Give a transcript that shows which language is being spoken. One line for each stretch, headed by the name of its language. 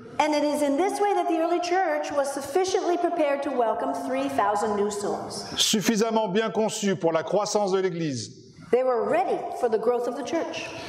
English: And it is in this way that the early church was sufficiently prepared to welcome 3000 new souls.
French: Suffisamment bien conçu pour la croissance de l'église.
English: They were ready for the growth of the church.